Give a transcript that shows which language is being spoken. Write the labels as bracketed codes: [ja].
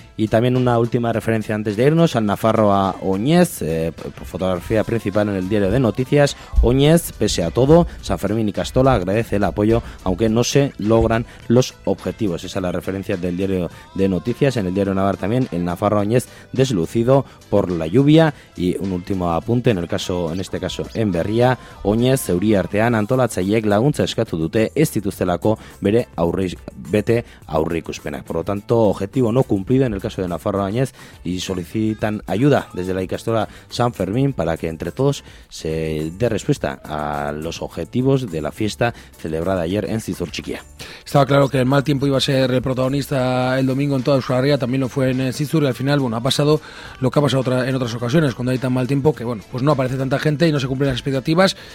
[es] Y también una última referencia antes de irnos al Nafarroa Oñez, fotografía principal en el diario de noticias. Oñez, pese a todo, San Fermín y Castola agradece el apoyo, aunque no se logran los objetivos. Esa es la referencia del diario de noticias. En el diario Navarra también, el Nafarroa Oñez deslucido por la lluvia. Y un último apunte, en este caso en Berria, [eu] Oñez, Euriartean, antolatzaileek laguntza eskatu dute, ez dituztelako bete aurreikuspenak. [es] Por lo tanto, objetivo no cumplido en el caso de Nafarroa Añez, y solicitan ayuda desde la Ikastola San Fermín para que entre todos se dé respuesta a los objetivos de la fiesta celebrada ayer en Zizurchiquia. Estaba claro que el mal tiempo iba a ser el protagonista el domingo en toda Euskal Herria, también lo fue en Zizur, y al final, bueno, ha pasado lo que ha pasado en otras ocasiones cuando hay tan mal tiempo que, bueno, pues no aparece tanta gente y no se cumplen las expectativas.